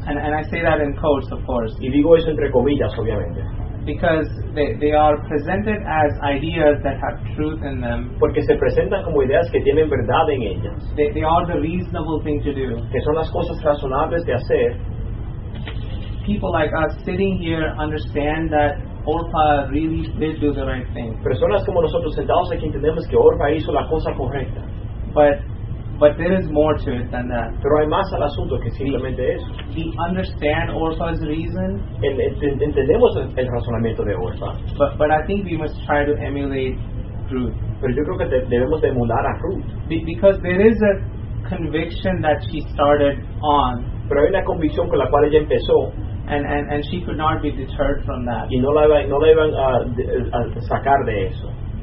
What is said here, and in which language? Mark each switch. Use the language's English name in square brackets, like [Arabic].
[English] And I say that in quotes, of course. [Spanish] Y digo eso entre comillas, obviamente. [English] Because they are presented as ideas that have truth in them. [Spanish] Porque se presentan como ideas que tienen verdad en ellas. [English] They are the reasonable thing to do. [Spanish] Que son las cosas razonables de hacer. [English] People like us sitting here understand that Orpah really did do the right thing. [Spanish] Personas como nosotros sentados aquí entendemos que Orpah hizo la cosa correcta. [English] But there is more to it than that. [Spanish] Pero hay más al asunto que simplemente eso. [English] We understand Orpah's reason. [Spanish] Entendemos el razonamiento de Orpah. [English] But I think we must try to emulate Ruth. [Spanish] Pero yo creo que debemos de emular a Ruth. [English] Because there is a conviction that she started on. [Spanish] Pero hay una convicción con la cual ella empezó. [English] And she could not be deterred from that. [Spanish] Y no la iban a sacar de eso.